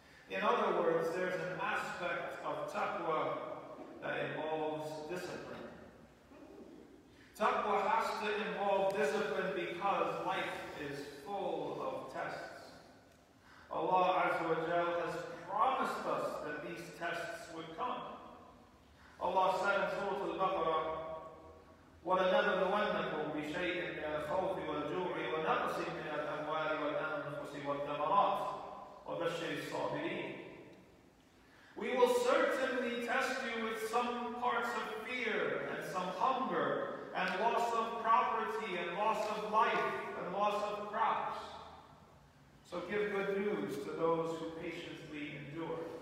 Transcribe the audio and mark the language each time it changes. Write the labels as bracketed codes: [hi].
[en] In other words, there's an aspect of taqwa that involves discipline. Taqwa has to involve discipline because life is full of tests. Allah Azza wa Jal has promised us that these tests would come. Allah said in Surah Al-Baqarah, [ar] وَلَنَبْلُوَنَّكُمْ بِشَيْءٍ مِنَ الْخَوْفِ وَالْجُوعِ وَنَقْصٍ مِنَ الْأَمْوَالِ وَالْأَنْفُسِ وَالثَّمَرَاتِ وَبَشِّرِ الصَّابِرِينَ. [en] We will certainly test you with some parts of fear and some hunger and loss of property and loss of life and loss of crops. So give good news to those who patiently endure.